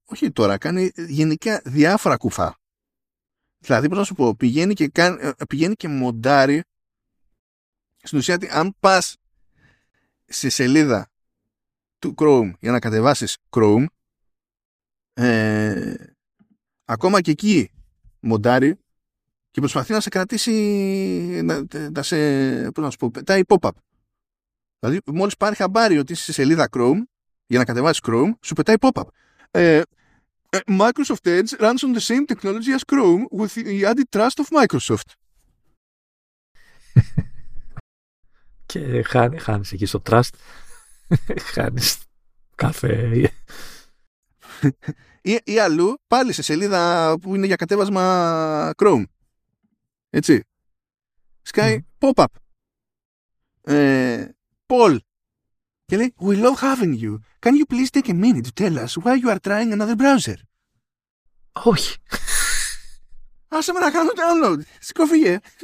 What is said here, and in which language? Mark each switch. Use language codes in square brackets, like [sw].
[el] Όχι τώρα, κάνει γενικά διάφορα κουφά. Δηλαδή, πώς να σου πω, πηγαίνει και μοντάρει στην ουσία ότι αν πας σε σελίδα του Chrome για να κατεβάσεις Chrome, ακόμα και εκεί μοντάρει και προσπαθεί να σε κρατήσει τα pop-up. Δηλαδή μόλις πάρει χαμπάρι ότι είσαι σε σελίδα Chrome για να κατεβάσεις Chrome, σου πετάει pop-up. [en] Microsoft Edge runs on the same technology as Chrome with the added trust of Microsoft. [el] Και χάνεις εκεί στο trust. Χάνεις κάθε... ή αλλού, πάλι σε σελίδα που είναι για κατέβασμα Chrome. Έτσι. Sky pop-up. Paul. Και λέει, [en] we love having you. Can you please take a minute to tell us why you are trying another browser? [el] Όχι. Άσε με να κάνω download. Σκοφίγε.